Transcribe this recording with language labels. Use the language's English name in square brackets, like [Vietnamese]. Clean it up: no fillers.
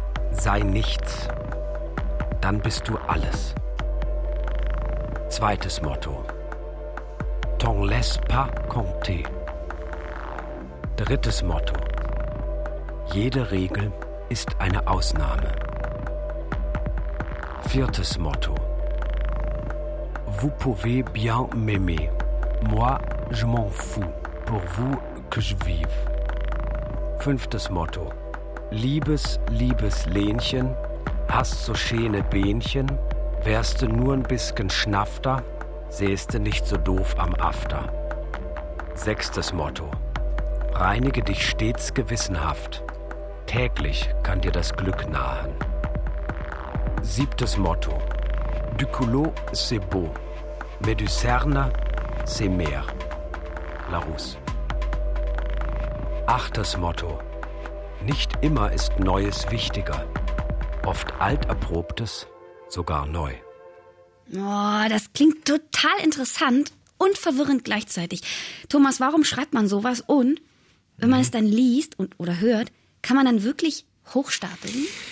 [German] Sei nichts, dann bist du alles. Zweites Motto: [French] T'en laisse pas compter. [German] Drittes Motto: Jede Regel ist eine Ausnahme. Viertes Motto: [French] Vous pouvez bien m'aimer. Moi, je m'en fous. Pour vous que je vive. [German] Fünftes Motto: Liebes, liebes Lenchen, hast so schöne Bähnchen, wärste nur ein bisschen schnafter, sähste nicht so doof am After. Sechstes Motto: Reinige dich stets gewissenhaft, täglich kann dir das Glück nahen. Siebtes Motto: [French] Du culot, c'est beau, mais du cerne, c'est [German] mehr. [French] Larousse. [German] Achtes Motto: Nicht immer ist Neues wichtiger, oft Alterprobtes sogar neu. Oh, das klingt total interessant und verwirrend gleichzeitig. Thomas, warum schreibt man sowas? Und wenn man es dann liest und oder hört, kann man dann wirklich hochstapeln?